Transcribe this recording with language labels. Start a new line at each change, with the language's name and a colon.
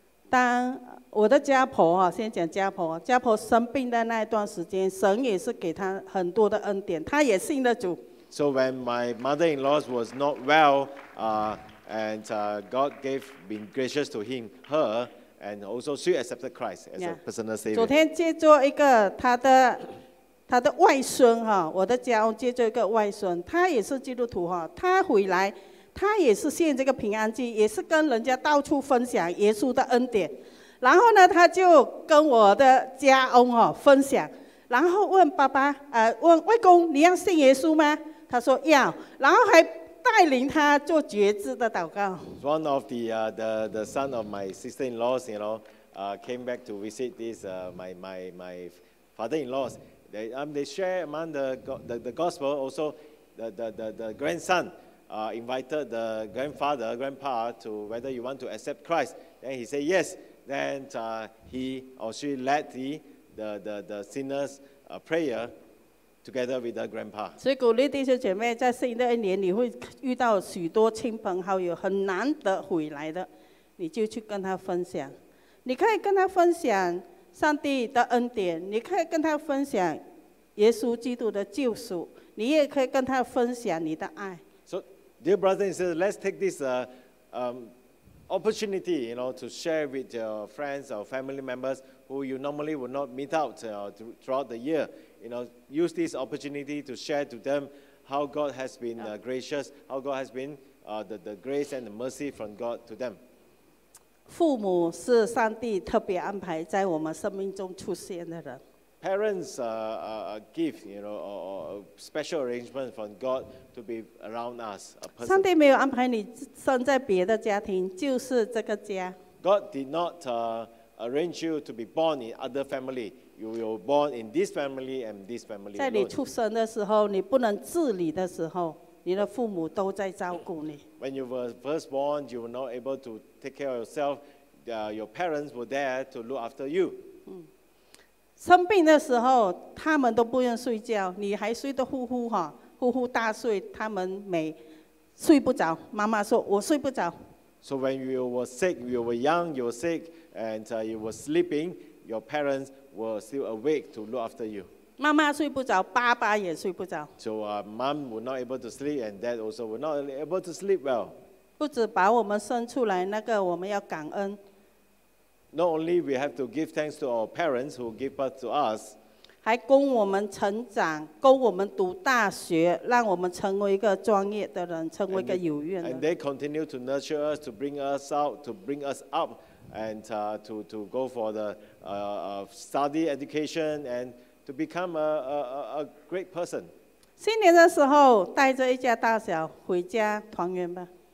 Chinese: 当我的家婆哈，先讲家婆，家婆生病的那一段时间，神也是给她很多的恩典，她也信了主。
English: So when my mother-in-law was not well, God gave been gracious to her, and also she accepted Christ as a personal savior.
Chinese: 昨天接做一个他的外孙哈，我的家翁接着一个外孙，他也是基督徒哈，他回来，他也是献这个平安祭，也是跟人家到处分享耶稣的恩典。然后呢，他就跟我的家翁哈分享，然后问爸爸，问外公，你要信耶稣吗？他说要，然后还带领他做决志的祷告。
English: One of the son of my sister-in-law, you know, came back to visit this my father-in-law. They share among the gospel. Also, the grandson invited the grandfather, grandpa to whether you want to accept Christ. Then he said yes. Then he or she led the sinner's prayer together with the grandpa.
Chinese: 所以鼓励弟兄姐妹，在新的一年，你会遇到许多亲朋好友，很难得回来的，你就去跟他分享。你可以跟他分享上帝的恩典，你可以跟他分享耶稣基督的救赎，你也可以跟他分享你的爱。
English: So, dear brothers and sisters, let's take this opportunity, you know, to share with your friends or family members who you normally would not meet out throughout the year. You know, use this opportunity to share to them how God has been gracious, how God has been the grace and the mercy from God to them.
Chinese: 父母是上帝特别安排在我们生命中出现的人。
English: Parents are a gift, you know, or a special arrangement from God to be around us.
Chinese: 上帝没有安排你生在别的家庭，就是这个家。
English: God did not arrange you to be born in other family. You were born in this family and this family.
Chinese: 在你出生的时候，你不能自理的时候，你的父母都在照顾你。
English: When you were first born, you were not able to take care of yourself. Your parents were there to look after you.
Chinese: 生病的时候，他们都不愿睡觉，你还睡得呼呼哈，呼呼大睡。他们没睡不着，妈妈说我睡不着。
English: So when you were sick, you were young, you were sick, and you were sleeping, your parents were still awake to look after you.
Chinese: 妈妈睡不着，爸爸也睡不着。
English: So, mom was not able to sleep, and dad also was not able to sleep well.
Chinese: 不止把我们生出来，那个我们要感恩。
English: Not only we have to give thanks to our parents who give birth to us,
Chinese: 还供我们成长，供我们读大学，让我们成为一个专业的人，成为一个有缘人。
English: And they continue to nurture us, to bring us out, to bring us up, and to go for the study education and. To become a great person.
Chinese: 新年的时候，带着一家大小回家团圆吧。